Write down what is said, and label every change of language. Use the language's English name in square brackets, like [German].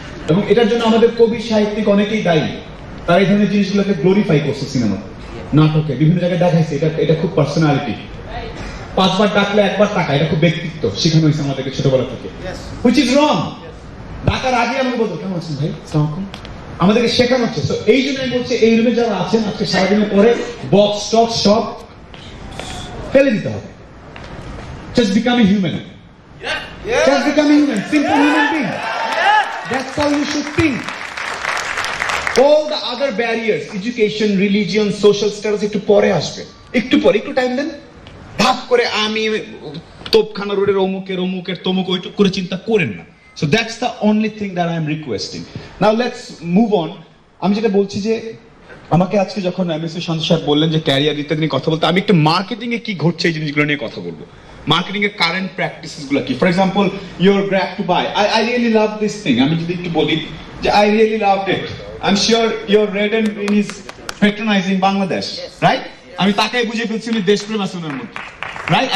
[Bangla] এবং এটার জন্য আমাদের কবি সাহিত্যিক অনেকেই দায়ী, তারা এই ধরনের জিনিসগুলোকে গ্লোরিফাই করছে সিনেমা নাটকে বিভিন্ন জায়গায় দেখাইছে, এটা এটা খুব পার্সোনালিটি, পাঁচবার ডাকলে একবার টাকা, এটা খুব ব্যক্তিত্ব শিখানো হয়েছে আমাদেরকে ছোটবেলা থেকে, [English] Which is wrong. [Bangla] ডাকার আগে আমি বলবো কেমন আছেন ভাই, আমাদেরকে শেখানো হচ্ছে। তো এই জন্য আমি বলছি এই রুমে যারা আছেন আজকে সারাদিনের পরে বক্স স্টক সব ফেলে দিতে হবে, [English] just become a human. Yeah. Just become a human, simple human being. That's how you should think. All the other barriers, education, religion, social status, [Bangla] একটু পরে আসবে, একটু পরে, একটু টাইম দেন। ভাব করে আমি তোপখানা রোডের অমুকের অমুকের তমুক ওইটু করে চিন্তা করেন না। [English] So that's the only thing that I am requesting. Now let's move on. [Bangla] আমি যেটা বলছি যে আমাকে আজকে যখন এমএসএ সন্তোষ স্যার বললেন যে ক্যারিয়ার ইত্যাদি নিয়ে কথা বলতে, আমি একটু মার্কেটিং এ কি ঘটছে এই জিনিসগুলো নিয়ে কথা বলবো। মার্কেটিং এর কারেন্ট প্র্যাকটিসেস গুলো কি, [English] for example your graph to buy, I really love this thing, [Bangla] আমি যদি একটু বলি যে [English] I really love it, I am sure your red and green is patronizing Bangladesh right, [Bangla] আমি তাকাই বুঝে ফেলছি উনি দেশপ্রেম আছে উনার মধ্যে রাইট।